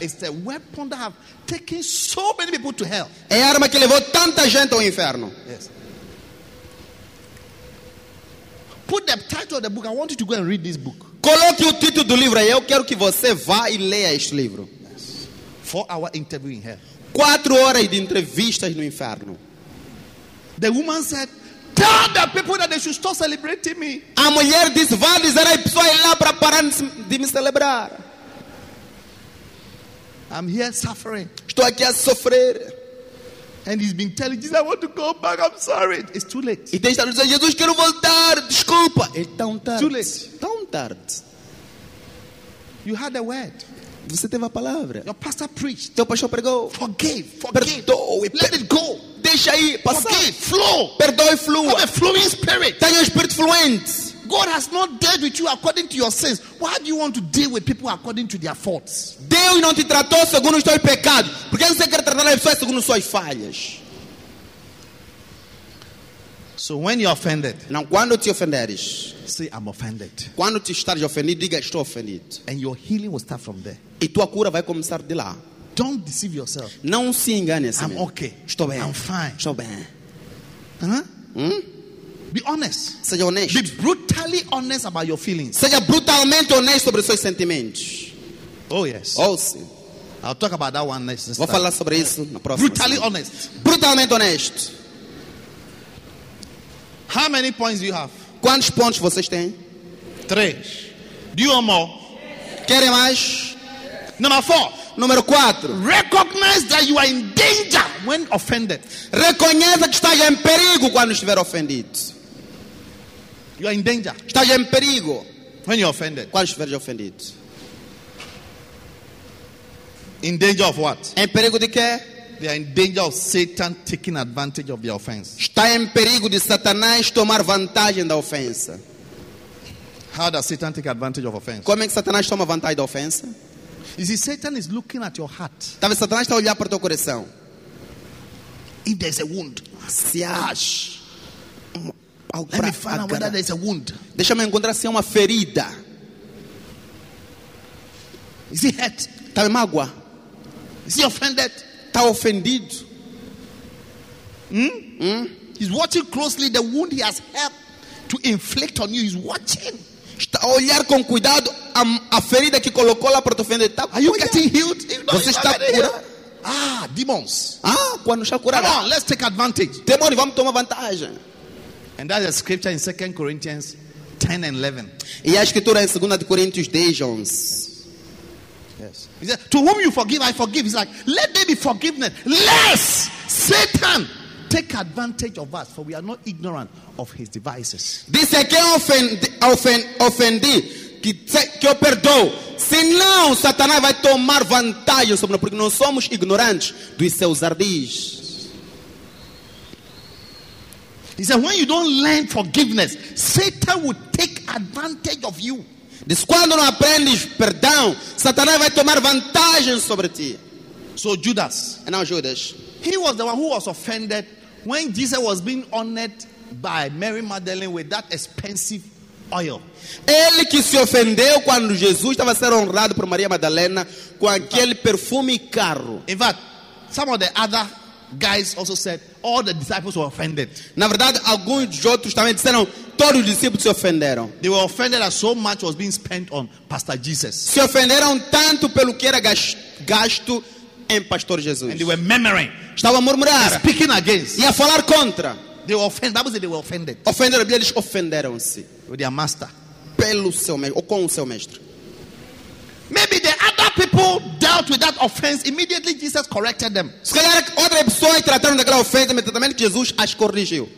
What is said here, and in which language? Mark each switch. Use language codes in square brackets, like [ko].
[en] It's a weapon that have taken so many people to hell. [pt] É a arma que levou tanta gente ao inferno. [en] Yes. Put the title of the book. I want you to go and read this book. [pt] Coloque o título do livro aí. Eu quero que você vá e leia este livro. [en] Yes. 4-hour interview in hell. [pt] 4 horas de entrevistas no inferno. [en] The woman said, tell the people that they should stop celebrating me. [pt] A mulher disse, vá dizer aí, pessoal, lá para parar de me celebrar. [en] I'm here suffering. [pt] Estou aqui a sofrer. [en] And he's been telling Jesus, I want to go back, I'm sorry. It's too late. [pt] E tem estado dizendo, Jesus, quero voltar, desculpa. É tão tarde. [en] Too late. [pt] Tão tarde. [en] You had the word. [pt] Você teve a palavra. [en] Your pastor preached. [pt] Teu pastor pregou. [en] Forgive, forgive. Let it go. [pt] Deixa aí, passar. [en] Forgive, flow. [pt] Perdoe, flua. [en] Have a flowing spirit. [pt] Tenha espírito fluente. [en] God has not dealt with you according to your sins. Why do you want to deal with people according to their faults? [pt] Deus não te tratou segundo os teus pecados. Por que você quer tratar as pessoas segundo suas falhas? [en] So when you're offended, [pt] não, quando te ofenderes, [en] say I'm offended. [pt] Quando te estares ofendido, diga estou ofendido. [en] And your healing will start from there. [pt] E tua cura vai começar de lá. [en] Don't deceive yourself. [pt] Não se engane. [en] I'm okay. [pt] Estou bem. [en] I'm fine. [pt] Estou bem. [en] Be honest. [pt] Seja honesto. [en] Be brutally honest about your feelings. [pt] Seja brutalmente honesto sobre seus sentimentos. [en] Oh yes. [pt] Oh sim. [en] I'll talk about that one next. [pt] Vou falar sobre isso na próxima. [en] Brutally honest. [pt] Brutalmente honesto. [en] How many points do you have? [pt] Quantos pontos vocês têm? [en] 3. Do you want more? [pt] Querem mais? [en] Number 4. [pt] Número 4. [en] Recognize that you are in danger when offended. [pt] Reconheça que estás em perigo quando estiver ofendido. [en] You are in danger. [pt] Estás em perigo [en] when you're offended. [pt] Quando estiver ofendido. [en] In danger of what? [pt] Em perigo de quê? [en] They are in danger of Satan taking advantage of the offense. [pt] Está em perigo de Satanás tomar vantagem da ofensa. [en] How does Satan take advantage of offense? [pt] Como é que Satanás toma vantagem da ofensa? [en] You see, Satan is looking at your heart. [pt] Talvez Satanás está olhando para o teu coração. [en] If there's a wound, se ash, let me find out whether there's a wound. [pt] Deixa-me encontrar se é uma ferida. [en] Is he hurt? [pt] Está em mágoa? [en] Is he offended? [pt] Está ofendido? [en] He's watching closely the wound he has helped to inflict on you. He's watching. [pt] Está a olhar com cuidado a ferida que colocou lá para te ofender. Tá, [en] are you getting healed? [pt] Você está curado? [en] Ah, demons. [pt] Ah, quando está curado. [en] Come on, let's take advantage. [pt] Demônio, vamos tomar vantagem. [en] And that's a scripture in 2 Corinthians 10 and 11. [pt] E a escritura em 2 Coríntios 10, 11. [en] Yes. Yes. He said, to whom you forgive, I forgive. He's like, let there be forgiveness. Lest Satan take advantage of us, for we are not ignorant of his devices. [pt] Diz é quem ofendi, que eu perdoo. Senão, Satanás vai tomar vantagem sobre nós, porque não somos ignorantes dos seus ardis. [en] He said, when you don't learn forgiveness, Satan will take advantage of you. [pt] Diz, quando não aprendes perdão, Satanás vai tomar vantagem sobre ti. [en] So Judas, and now Judas, he was the one who was offended when Jesus was being honored by Mary Magdalene with that expensive oil. [pt] Ele que se ofendeu quando Jesus estava a ser honrado por Maria Madalena com aquele perfume caro. [en] In fact, some of the other guys also said all the disciples were offended. [pt] Na verdade, alguns outros também disseram todos os discípulos se ofenderam. [en] They were offended that so much was being spent on Pastor Jesus. [pt] Se ofenderam tanto pelo que era gasto em Pastor Jesus. [en] And they were murmuring. [pt] Estavam a murmurar. [en] And speaking against. [pt] E a falar contra. [en] They were offended. That was it. They were offended. [pt] Ofenderam, eles ofenderam-se. [en] With their master. [pt] Pelo seu mestre, ou com o seu mestre. [en] Maybe the other people dealt with that offense. Immediately Jesus corrected them. [pt] Se calhar outra pessoa trataram daquela ofensa imediatamente Jesus as corrigiu.